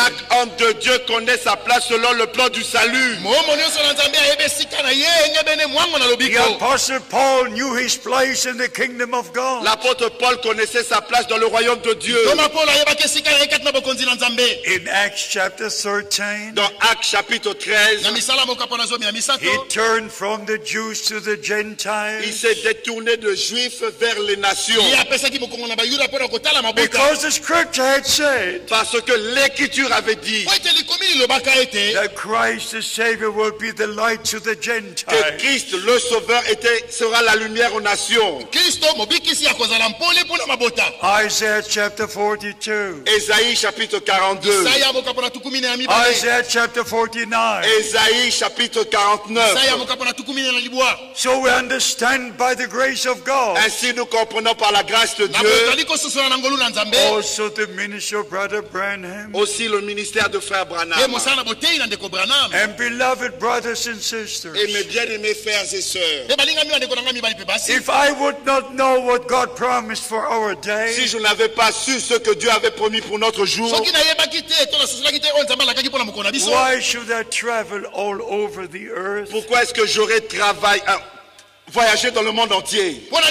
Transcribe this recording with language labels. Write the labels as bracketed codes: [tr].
[fr] Chaque homme de Dieu connaît sa place selon le plan du salut. [en] The apostle Paul knew his place in the kingdom of God. [fr] L'apôtre Paul connaissait sa place dans le royaume de Dieu. [en] In Acts chapter 13. [fr] Dans Actes chapitre 13. [en] He turned from the Jews to the Gentiles. [fr] Il s'est détourné de Juifs vers les nations. [en] Because the scripture had said, [fr] parce que l'écriture avait dit, [en] that Christ the Savior will be the light to the Gentiles. [fr] Que Christ le Sauveur était, sera la lumière aux nations. [ln] Christo, mobikisi ya kozala mpole pona mabota. [en] Isaiah chapter 42. Isaiah chapter 42. Isaiah chapter 49. Isaiah chapter 49. So we understand by the grace of God. [fr] Ainsi nous comprenons par la grâce de Dieu. [en] Also the ministry of Brother Branham. [fr] Aussi le ministère de Frère Branham. And [en] beloved brothers and sisters. [fr] Et mes bien-aimés frères et sœurs. [en] If I would not know what God promised for our day. [fr] Si je n'avais pas su ce que Dieu avait promis pour notre jour. [en] Why should I travel all over the earth? [fr] Pourquoi est-ce que j'aurais travaillé à voyager dans le monde entier?